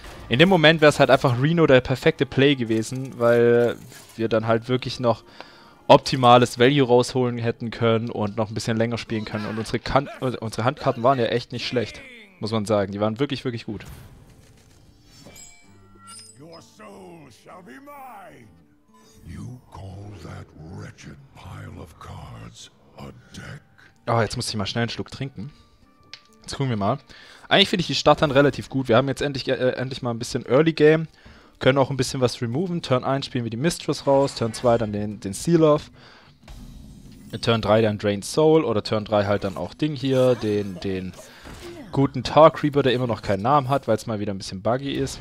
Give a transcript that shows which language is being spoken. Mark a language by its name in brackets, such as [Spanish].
[German] In dem Moment wäre es halt einfach Reno der perfekte Play gewesen, weil wir dann halt wirklich noch optimales Value rausholen hätten können und noch ein bisschen länger spielen können. Und unsere Handkarten waren ja echt nicht schlecht, muss man sagen. Die waren wirklich, wirklich gut. [English] Your soul shall be mine. You call that wretched pile of cards a deck? [German] Oh, jetzt muss ich mal schnell einen Schluck trinken. Jetzt gucken wir mal. Eigentlich finde ich die Starthand relativ gut. Wir haben jetzt endlich mal ein bisschen Early Game. Können auch ein bisschen was removen. Turn 1 spielen wir die Mistress raus. Turn 2 dann den Seal of. Turn 3 dann Drain Soul. Oder Turn 3 halt dann auch Ding hier. Den guten Tark Reaper, der immer noch keinen Namen hat, weil es mal wieder ein bisschen buggy ist.